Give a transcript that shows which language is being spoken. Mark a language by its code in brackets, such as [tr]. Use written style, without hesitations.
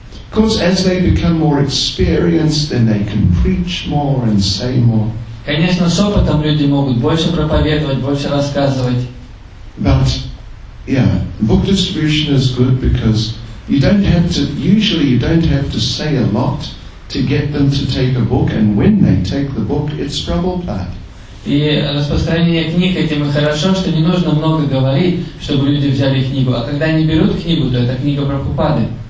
[en] Of course, as they become more experienced, then they can preach more and say more. [ru] Конечно, с опытом люди могут больше проповедовать, больше рассказывать. [en] But, yeah, book distribution is good because you don't have to. Usually, you don't have to say a lot to get them to take a book, and when they take the book, it's Prabhupada. [ru] И распространение книг этим и хорошо, что не нужно много говорить, чтобы люди взяли книгу. А когда они берут книгу, то это книга Прабхупады.